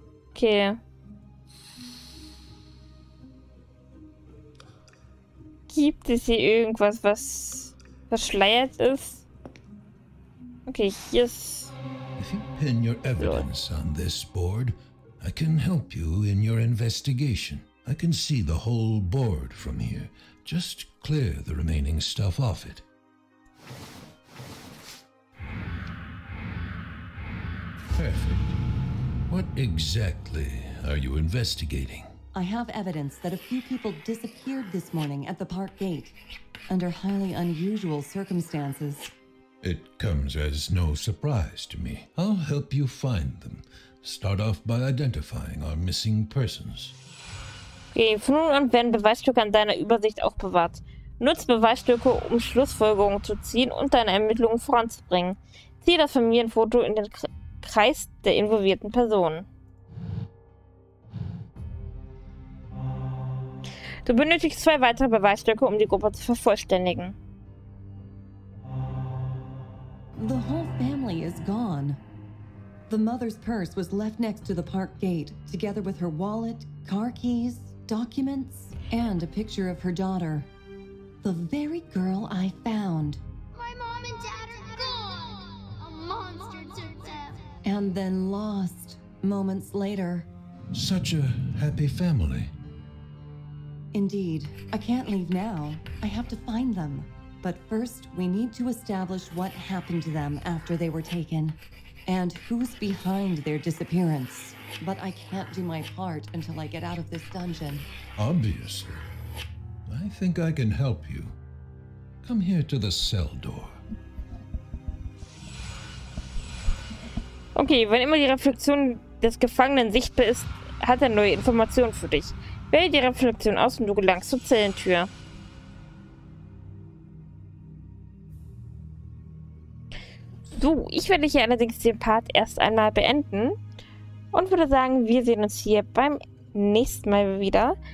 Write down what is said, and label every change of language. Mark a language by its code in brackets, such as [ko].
[de] Okay. Gibt es hier irgendwas, was verschleiert ist? [en] Okay, yes. If you pin your evidence on this board, I can help you in your investigation. I can see the whole board from here. Just clear the remaining stuff off it. Perfect. What exactly are you investigating? I have evidence that a few people disappeared this morning at the park gate, under highly unusual circumstances. It comes as no surprise to me. I'll help you find them. Start off by identifying our missing persons. [de] Okay, von nun an werden Beweisstücke an deiner Übersicht aufbewahrt. Nutz Beweisstücke, um Schlussfolgerungen zu ziehen und deine Ermittlungen voranzubringen. Zieh das Familienfoto in den Kreis der involvierten Personen. Du benötigst zwei weitere Beweisstücke, um die Gruppe zu vervollständigen. [en] The whole family is gone. The mother's purse was left next to the park gate, together with her wallet, car keys, documents, and a picture of her daughter. The very girl I found. My mom and dad are gone! A monster to death. And then lost moments later. Such a happy family. Indeed. I can't leave now. I have to find them. But first, we need to establish what happened to them after they were taken. And who's behind their disappearance. But I can't do my part until I get out of this dungeon. Obviously. I think I can help you. Come here to the cell door. [de] Okay, wenn immer die Reflexion des Gefangenen sichtbar ist, hat er neue Informationen für dich. Wähle die Reflexion aus und du gelangst zur Zellentür. So, ich werde hier allerdings den Part erst einmal beenden. Und würde sagen, wir sehen uns hier beim nächsten Mal wieder.